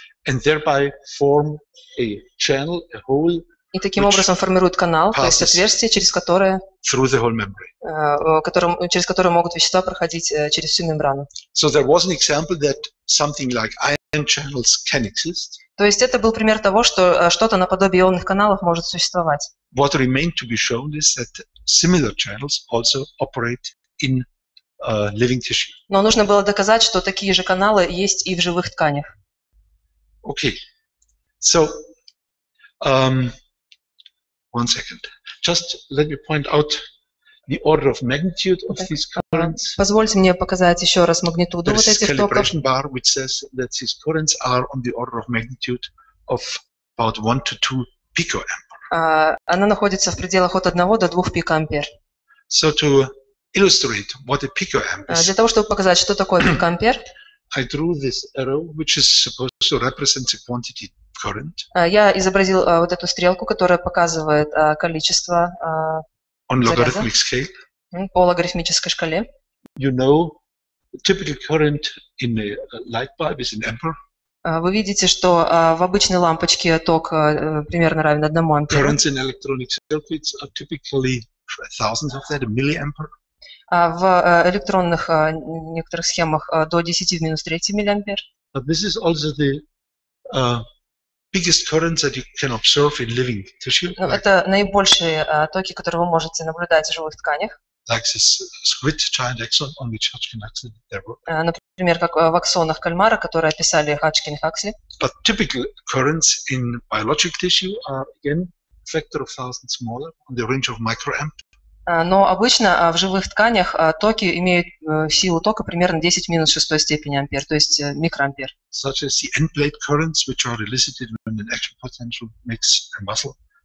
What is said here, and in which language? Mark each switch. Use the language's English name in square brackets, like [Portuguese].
[English] and thereby form a channel, a hole, [Russian] и таким образом формируют канал, то есть отверстие, через которое, [English] through the whole membrane. [Russian] Через которое могут вещества проходить через всю мембрану. [English] So there was an example that something like ion channels can exist. [Russian] То есть это был пример того, что что-то наподобие ионных каналов может существовать. [English] What remained to be shown is that similar channels also operate in living tissue. [Russian] Но нужно было доказать, что такие же каналы есть и в живых тканях. [English] Okay. So, one second. Just let me point out the order of magnitude of these currents. [Russian] Позвольте мне показать еще раз магнитуду вот этих токов. [English] Calibration bar, which says that these currents are on the order of magnitude of about 1 to 2 picoamp. [Russian] Она находится в пределах от 1 до 2 пикоампер. [English] So to illustrate what a picoamp is. [Russian] Для того, чтобы показать, что такое пикоампер. [English] I drew this arrow, which is supposed to represent the quantity current. [Russian] Я изобразил вот эту стрелку, которая показывает количество [English] on logarithmic scale. [Russian] По логарифмической шкале. [English] You know, typical current in a light bulb is an ampere. [Russian] Вы видите, что в обычной лампочке ток примерно равен 1 ампер. [English] Currents in electronic circuits are typically thousands of that, a milliampere. [Russian] В электронных некоторых схемах до 10 в минус 3 миллиампер. [English] But this is also the biggest currents that you can observe in living tissue. [Russian] Это наибольшие токи, которые вы можете наблюдать в живых тканях. [English] Like this squid giant axon on which Hodgkin Huxley there were. [Russian] Например, как в аксонах кальмара, которые описали Hodgkin Huxley. [English] But typical currents in biologic tissue are again a factor of thousands smaller on the range of microamp. [Russian] Но обычно в живых тканях токи имеют силу тока примерно 10 минус 6 степени ампер, то есть микроампер. [English] Such as the end plate currents, which are elicited when an action potential makes a muscle.